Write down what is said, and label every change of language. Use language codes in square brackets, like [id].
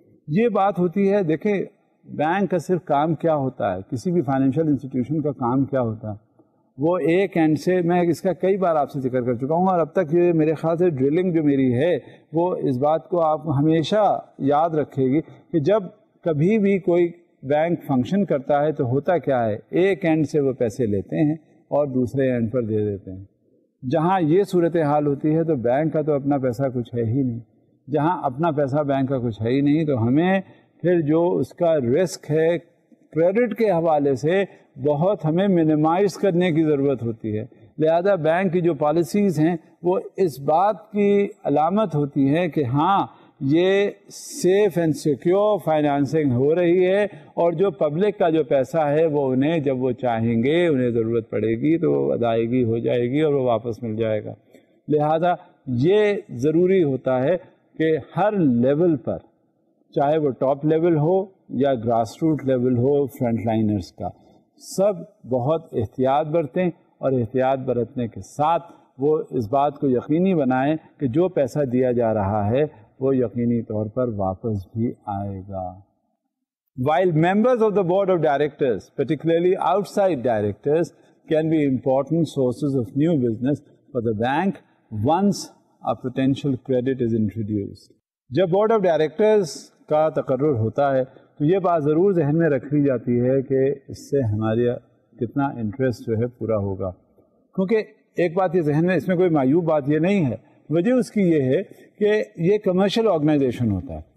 [ur] Ye baat hoti hai, dekhe bank ka sirf kaam kya hota hai, kisi bhi financial institution ka kaam kya hota hai, wo ek end se, main iska kai baar aap se zikr kar chuka hu, aur ab tak ye mere khayal se drilling jo meri hai wo is baat ko aap hamesha yaad rakhegi ki jab kabhi bhi koi bank function کرتا ہے تو ہوتا کیا ہے, ایک and سے وہ پیسے لیتے ہیں اور دوسرے اینڈ پر دے دیتے ہیں. جہاں یہ صورتحال ہوتی ہے تو بینک کا تو اپنا پیسہ کچھ ہے ہی نہیں, جہاں اپنا پیسہ بینک کا کچھ ہے ہی نہیں تو ہمیں پھر جو اس کا رسک ہے کریڈٹ کے حوالے سے بہت ہمیں منیمائز کرنے کی ضرورت ہوتی ہے. لہذا بینک کی جو پالیسیز ہیں وہ اس بات کی علامت ہوتی ہیں کہ ہاں یہ سیف اینڈ سیکیور فائنانسنگ ہو رہی ہے, اور جو پبلک کا جو پیسہ ہے وہ انہیں جب وہ چاہیں گے انہیں ضرورت پڑے گی تو ادائیگی ہو جائے گی اور وہ واپس مل جائے گا. لہذا یہ ضروری ہوتا ہے کہ ہر لیول پر, چاہے وہ ٹاپ لیول ہو یا گراس روٹ لیول ہو فرنٹ لائنرز کا, سب بہت احتیاط برتیں, اور احتیاط برتنے کے ساتھ وہ اس بات کو یقینی بنائیں کہ جو پیسہ دیا جا رہا ہے وہ یقینی طور پر واپس بھی آئے گا. [en] While members of the board of directors, particularly outside directors, can be important sources of new business for the bank once a potential credit is introduced. [ur] جب بورڈ آف ڈائریکٹرز کا تقرر ہوتا ہے تو یہ بات ضرور ذہن میں رکھی جاتی ہے کہ اس سے ہمارے کتنا انٹرسٹ جو ہے پورا ہوگا. کیونکہ ایک بات یہ ذہن میں, اس میں کوئی معیوب بات یہ نہیں ہے, وجہ اس کی یہ ہے کہ یہ کمرشل آرگنائزیشن ہوتا ہے.